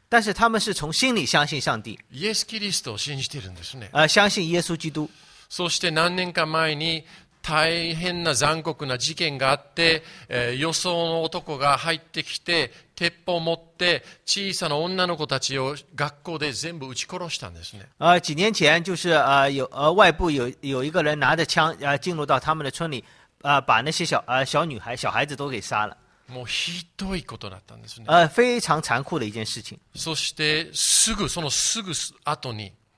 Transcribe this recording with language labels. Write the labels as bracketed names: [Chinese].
[Chinese] 但是他们是从心里相信上帝。 [Japanese] イエス・キリストを信じているんですね。 [Chinese] 相信耶稣基督。 [Japanese] そして何年か前に大変な残酷な事件があって、予想の男が入ってきて鉄砲を持って小さな女の子たちを学校で全部撃ち殺したんですね。 [Chinese] 几年前就是外部有一个人拿着枪进入到他们的村里把那些 小女孩子都给杀了。 [Japanese] もうひどいことだったんですね。 [Chinese] 非常残酷的一件事情。 [Japanese] そしてすぐそのすぐ後に